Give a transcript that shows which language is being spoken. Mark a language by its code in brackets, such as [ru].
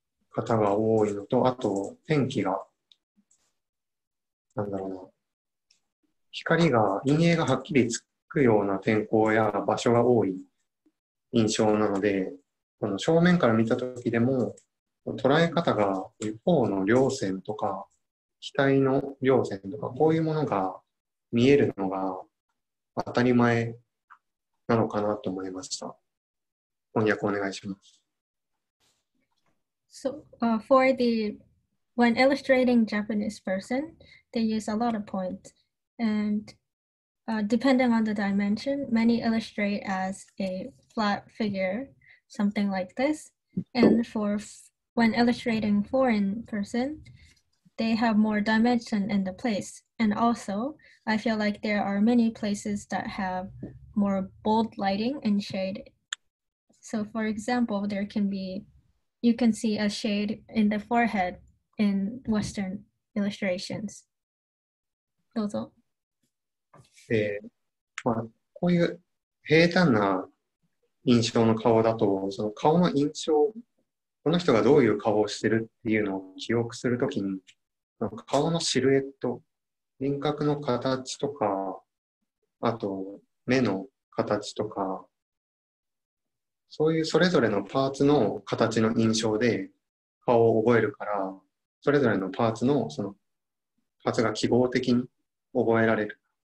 [ja] 方が多いのと、あと、天気が、なんだろうな、光が、陰影がはっきりつくような天候や場所が多い印象なので、この正面から見たときでも、捉え方が、頬の稜線とか、額の稜線とか、こういうものが見えるのが当たり前なのかなと思いました。翻訳お願いします。 [en] So, for the, when illustrating Japanese person, they use a lot of points. And depending on the dimension, many illustrate as a flat figure, something like this. And for when illustrating foreign person, they have more dimension in the place. And also, I feel like there are many places that have more bold lighting and shade. So for example, there can be, you can see a shade in the forehead in Western illustrations. [ja] どうぞ。まあ、こういう平坦な印象の顔だと、その顔の印象、この人がどういう顔をしてるっていうのを記憶するときに、なんか顔のシルエット、輪郭の形とか、あと目の形とか、そういうそれぞれのパーツの形の印象で顔を覚えるから、それぞれのパーツのそのパーツが記号的に覚えられる。